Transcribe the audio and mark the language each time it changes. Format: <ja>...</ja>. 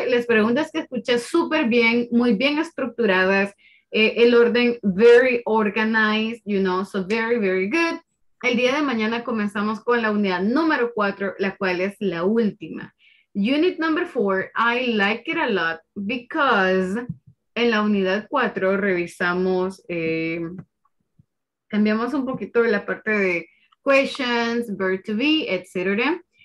<es>Las preguntas que escuché súper bien, muy bien estructuradas. El orden</es> <en>very organized, you know, so very, very good.</en> <es>El día de mañana comenzamos con la unidad número 4, la cual es la última.</es> <en>Unit number 4, I like it a lot because</en> <es>en la unidad 4 revisamos, cambiamos un poquito la parte de</es> <en>questions, verb to be, etc.</en>